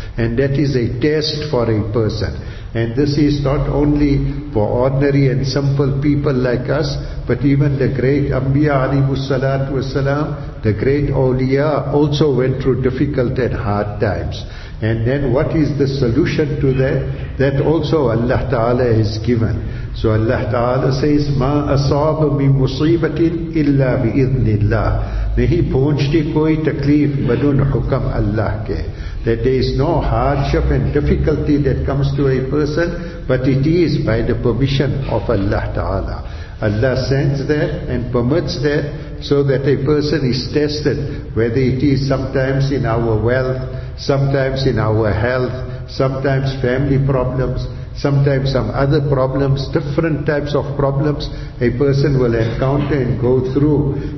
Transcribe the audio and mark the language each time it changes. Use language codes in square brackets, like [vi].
[en] And that is a test for a person. And this is not only for ordinary and simple people like us, but even the great Anbiya alayhi salatu wasalam, the great awliya, also went through difficult and hard times. And then what is the solution to that? That also Allah Ta'ala has given. So Allah Ta'ala says, [ar] مَا أَصَابَ مِن مُصِيبَةٍ إِلَّا بِإِذْنِ اللَّهِ. [ur] نہیں پہنچتی کوئی تکلیف بدون حکم اللہ کے. [en] That there is no hardship and difficulty that comes to a person, but it is by the permission of Allah Ta'ala. Allah sends that and permits that, so that a person is tested, whether it is sometimes in our wealth, sometimes in our health, sometimes family problems, sometimes some other problems, different types of problems a person will encounter and go through.